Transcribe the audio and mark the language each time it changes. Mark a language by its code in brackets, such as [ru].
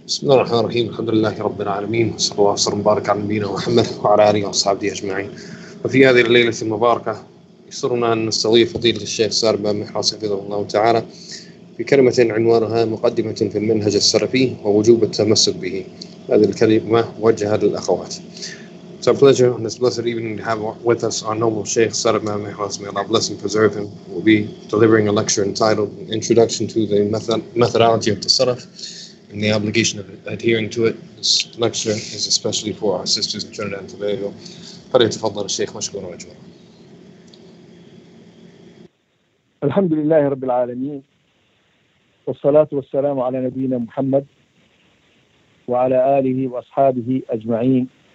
[ar] بسم الله الرحمن الرحيم، الحمد لله رب العالمين، صلى الله وسلم وبارك على نبينا محمد وعلى آله وصحبه أجمعين. وفي هذه الليلة المباركة يسرنا أن نستضيف فضيلة الشيخ سالم بن حراس حفظه الله تعالى بكلمة عنوانها مقدمة في المنهج السلفي ووجوب التمسك به. هذه الكلمة موجهة للأخوات. [en] It's a pleasure and it's a blessed evening to have with us our noble Sheikh Sadr Mahmoud Mihras. May Allah bless and preserve him. We'll be delivering a lecture entitled Introduction to the Methodology of Tasarruf and the Obligation of Adhering to It. This lecture is especially for our sisters in Trinidad and Tobago. [ar] فليتفضل الشيخ مشكورا مجمورا. الحمد لله رب العالمين والصلاة والسلام على نبينا محمد وعلى آله وأصحابه أجمعين.